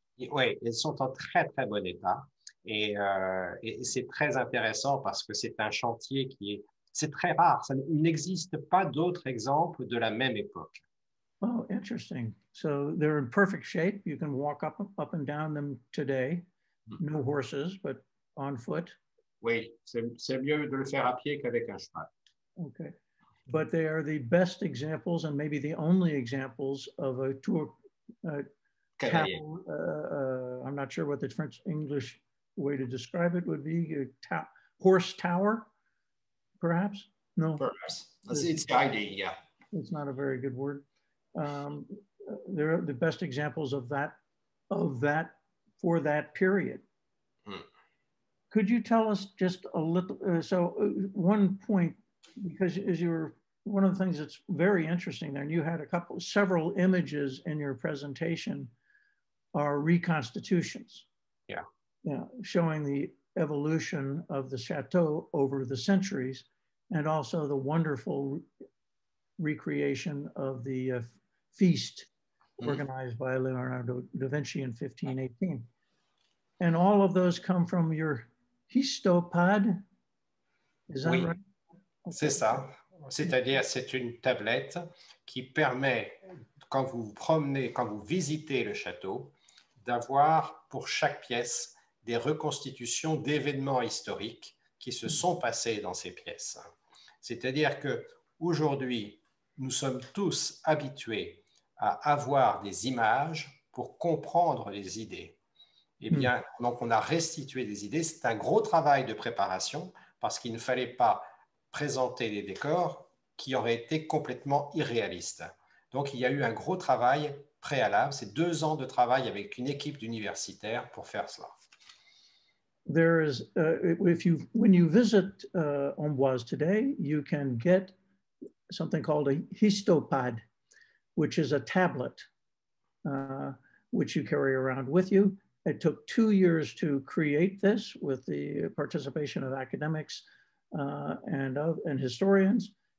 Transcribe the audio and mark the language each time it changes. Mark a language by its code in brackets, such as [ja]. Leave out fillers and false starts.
[fr] Oui, ils sont en très, très bon état. Et, et c'est très intéressant parce que c'est un chantier qui est, c'est très rare. Ça, il n'existe pas d'autres exemples de la même époque. [en] Oh, interesting. So they're in perfect shape. You can walk up and down them today. No horses, but on foot. [fr] Oui, c'est mieux de le faire à pied qu'avec un cheval. [en] Okay. But they are the best examples and maybe the only examples of a tour I'm not sure what the French English way to describe it would be, a horse tower, perhaps? No. Perhaps. It's the idea, yeah. It's not a very good word. They're the best examples of that for that period. Hmm. Could you tell us just a little, so one point, because as you were, one of the things that's very interesting there, and you had several images in your presentation, are reconstitutions. Yeah. Yeah, showing the evolution of the chateau over the centuries, and also the wonderful recreation of the feast organized by Leonardo da Vinci in 1518. And all of those come from your histopad, is that [fr] oui. [en] Right? [fr] Okay. C'est ça. C'est-à-dire, c'est une tablette qui permet, quand vous vous promenez, quand vous visitez le château, d'avoir pour chaque pièce des reconstitutions d'événements historiques qui se sont passés dans ces pièces. C'est-à-dire qu'aujourd'hui, nous sommes tous habitués à avoir des images pour comprendre les idées. Eh bien, donc on a restitué des idées. C'est un gros travail de préparation parce qu'il ne fallait pas présenter des décors qui auraient été complètement irréalistes. Donc, il y a eu un gros travail préalable. C'est 2 ans de travail avec une équipe d'universitaires pour faire cela. [en] There is, when you visit Amboise today, you can get something called a histopad, which is a tablet, which you carry around with you. It took 2 years to create this with the participation of academics and historians.